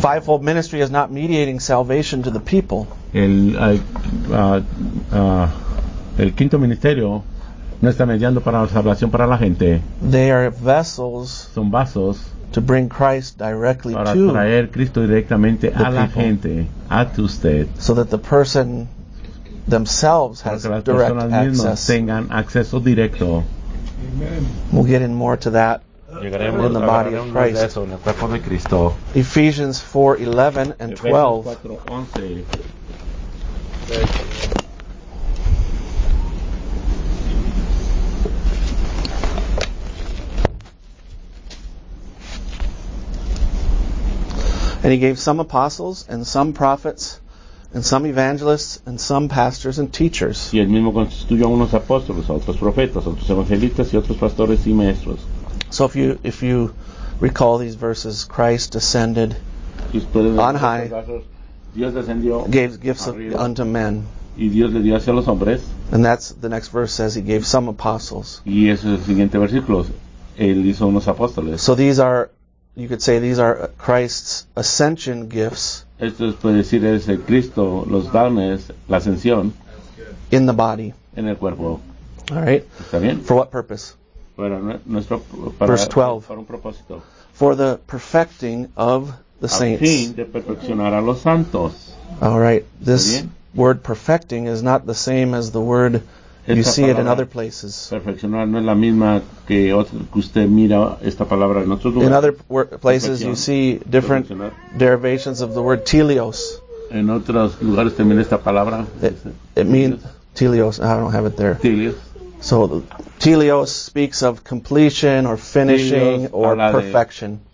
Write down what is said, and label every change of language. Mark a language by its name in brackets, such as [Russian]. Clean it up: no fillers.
[English] The fivefold ministry is not mediating salvation to the people. [Spanish] El quinto ministerio no está mediando para la salvación para la gente. [English] They are vessels. [Spanish] Son vasos. [English] To bring Christ directly [Spanish] para [English] to [Spanish] traer Cristo directamente [English] the [Spanish] a la gente, a usted, [English] so that the person themselves has direct access. [Spanish] Tengan acceso directo. [English] Amen. We'll get in more to that [Spanish] llegaremos [English] in the body of Christ. [Spanish] De eso, en el cuerpo de Cristo. [English] Ephesians 4:11 and 12. Ephesians 4, 11. And he gave some apostles and some prophets and some evangelists and some pastors and teachers. [Spanish] Y el mismo constituyó unos apóstoles, otros profetas, otros evangelistas y otros pastores y maestros. [English] So if you recall these verses, Christ ascended on high, [Spanish] Dios descendió [English] gave gifts unto men. [Spanish] Y Dios le dio hacia los hombres. [English] And that's the next verse says he gave some apostles. [Spanish] Y eso es el siguiente versículo. Él hizo unos apóstoles. [English] So these are, you could say these are Christ's ascension gifts. [Spanish] Esto es, puede decir es el Cristo, los dones, la ascensión. [English] In the body. [Spanish] En el cuerpo. [English] All right. [Spanish] ¿Está bien? [English] For what purpose? [Spanish] Para nuestro, para, [English] verse 12. [Spanish] Para un propósito. [English] For the perfecting of the saints. [Spanish] A fin de perfeccionar a los santos. [English] All right. This word perfecting is not the same as the word [Spanish] esta [English] you see it in other places. [Spanish] Perfeccionar no es la misma que otro, que usted mira esta palabra en otros lugares. [English] In other places you see different derivations of the word teleos. [Spanish] En otros lugares también esta palabra. [English] It means teleos. I don't have it there. Teleos. So teleos speaks of completion or finishing or perfection.